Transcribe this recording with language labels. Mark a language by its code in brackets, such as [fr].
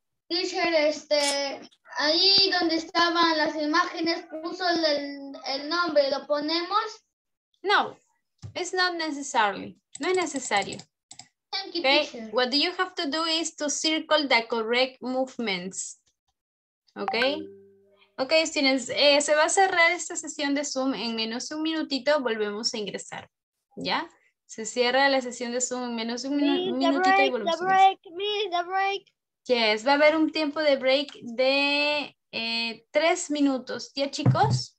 [es] Teacher, ahí donde estaban las imágenes, puso el nombre, ¿lo ponemos? [en] No, it's not necessarily. No es necesario. Thank you, okay, teacher. What do you have to do is to circle the correct movements. Okay? [es] Okay, students, se va a cerrar esta sesión de Zoom en menos un minutito, volvemos a ingresar. ¿Ya? Se cierra la sesión de Zoom en menos un minutito [en] break, [es] y volvemos. [en] The break. [es] Yes, va a haber un tiempo de break de 3 minutos. ¿Ya, chicos?